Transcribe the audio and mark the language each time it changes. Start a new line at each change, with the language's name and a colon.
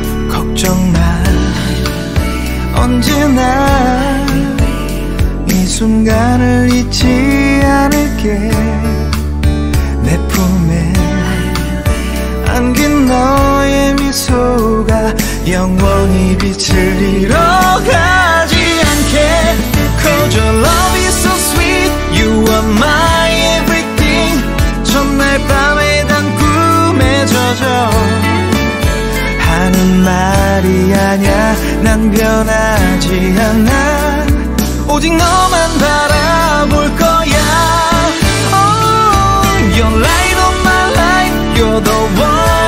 Korean: 걱정 마, 언제나 이 순간을 잊지 않을게. 내 품에 안긴 너의 미소가 영원히 영원히 빛을 잃어가지 않게.
English: 'Cause your love is so sweet, you are my everything.
Korean: 첫날 밤에 난 꿈에 젖어 하는 말이 아냐, 난 변하지 않아. 오직 너만 바라볼 거야.
English: Oh, your light of my life, you're the one.